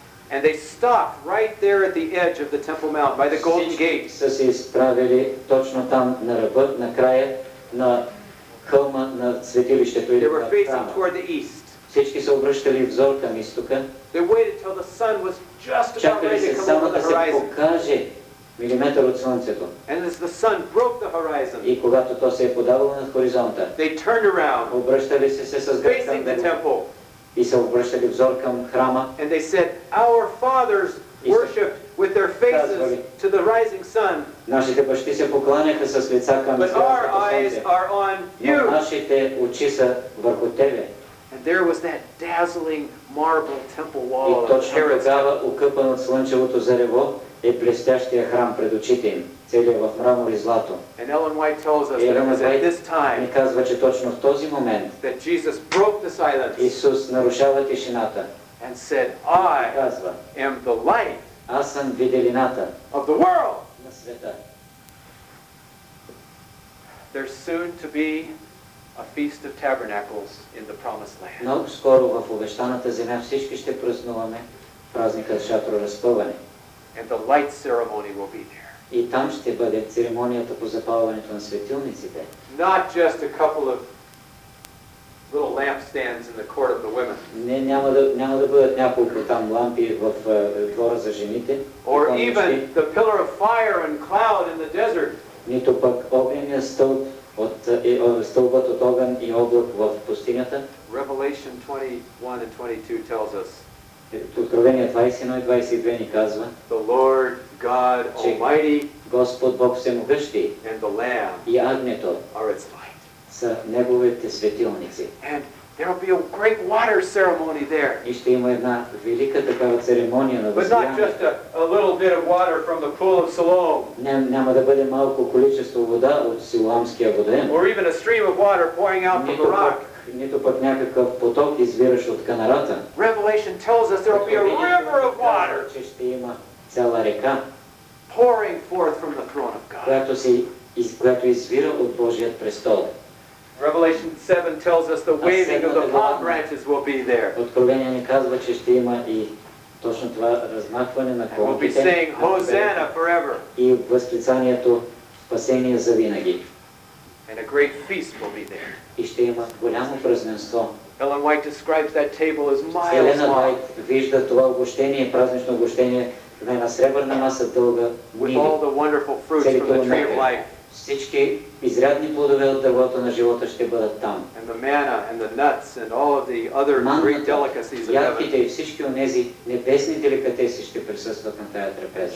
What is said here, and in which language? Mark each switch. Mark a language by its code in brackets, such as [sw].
[en] And they stopped right there at the edge of the Temple Mount by the Golden Gate. [bg] Са се изправили точно там на ръба, на края на хълма на светилището. [en] They were facing toward the east. [bg] Всички са обръщали взор към изтока. [en] They waited till the sun was just about ready to come over the horizon. [bg] Чакали се само да се покаже милиметър от слънцето. [en] And as the sun broke the horizon. [bg] И когато то се е подавало над хоризонта. [en] They turned around. [bg] Обръщали се с гръб към [en] facing the temple. [bg] И се обръщали взор към храма. [en] And they said, our fathers worshipped with their faces to the rising sun. [bg] Нашите бащи се покланяха с лица към слънцето. [en] But our eyes are on you. [bg] Нашите очи са върху тебе. [en] And there was that dazzling marble temple wall. [bg] И точно тогава, укъпан от слънчевото зарево, е блестящия храм пред очите им, целия в мрамор и злато. [en] And Ellen White tells us that it was at this time [bg] ни казва, че точно в този момент [en] that Jesus broke the silence. [bg] Исус нарушава тишината. [en] And said, I am the light. [bg] Аз съм виделината. [en] Of the world. [bg] На света. [en] There's soon to be a feast of tabernacles in the promised land. [bg] Много скоро в обещаната земя всички ще празнуваме празника за шатро разпъване. [en] And the light ceremony will be there. [bg] И там ще бъде церемонията по запалването на светилниците. [en] Not just a couple of little lampstands in the court of the women. [bg] Не, няма да бъдат няколко там лампи в двора за жените. [en] Or even the pillar of fire and cloud in the desert. [bg] Нито пък огненния стълб стълбът от огън и облак в пустинята. [en] Revelation 21 and 22 tells us. [bg] Откровение 21 и 22 ни казва, [en] the Lord God Almighty, [bg] Господ Бог Всемогъщи, [en] and the Lamb [bg] и Агнето [en] are its light. [bg] Са неговите светилници. [en] And there will be a great water ceremony there. [bg] И ще има една велика такава церемония на Вселената. [en] But not just a little bit of water from the pool of Siloam. [bg] Няма да бъде малко количество вода от Силоамския водоем. [en] Or even a stream of water pouring out from the rock. [bg] Нито пък някакъв поток извираш от канарата. [en] Revelation tells us there will be a river of water. [bg] Че ще има цяла река. [en] Pouring forth from the throne of God. [bg] Която извира от Божият престол. [en] Revelation 7 tells us the waving of the palm branches will be there. [bg] Откровение ни казва, че ще има и точно това размахване на колките. [en] We'll be saying Hosanna forever. [bg] И възклицанието спасение за винаги. [en] And a great feast will be there. [bg] И ще има голямо празненство. [en] Ellen White describes that table as miles long. [bg] Елена Уайт вижда това угощение, празнично угощение, на една сребърна маса дълга мили. [en] With all the wonderful fruits from the tree of life. [bg] Всички изрядни плодове от дървото на живота ще бъдат там. [en] And the manna and the nuts and all of the other great delicacies of heaven. [bg] Яките и всички онези небесни деликатеси ще присъстват на тая трапеза.